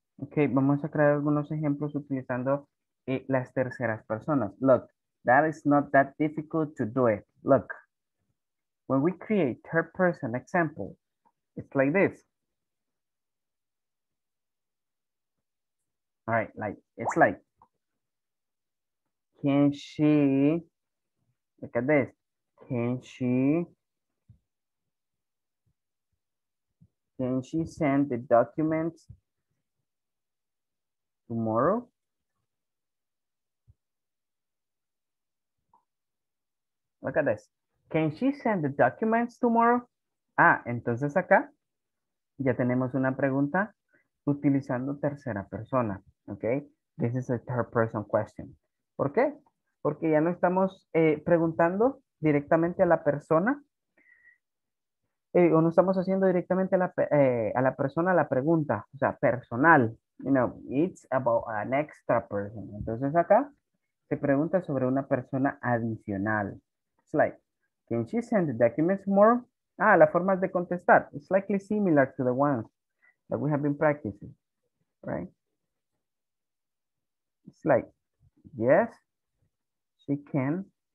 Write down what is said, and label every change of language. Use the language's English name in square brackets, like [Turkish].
[Spanish] Okay, vamos a crear algunos ejemplos utilizando las terceras personas. [English] Look, that is not that difficult to do it. Look, when we create third person example, it's like this. All right, like, it's like, can she, look at this, can she send the documents tomorrow? Look at this, can she send the documents tomorrow? [Spanish] Ah, entonces acá ya tenemos una pregunta utilizando tercera persona. [English] Okay, this is a third person question. [Spanish] ¿Por qué? Porque ya no estamos preguntando directamente a la persona, o no estamos haciendo directamente a la persona la pregunta, o sea, personal. [English] You know, it's about an extra person. [Spanish] Entonces acá se pregunta sobre una persona adicional. [English] It's like, can she send the documents more? Ah, [Spanish] la forma de contestar. [English] It's likely similar to the ones that we have been practicing, right? It's like, yes, she can.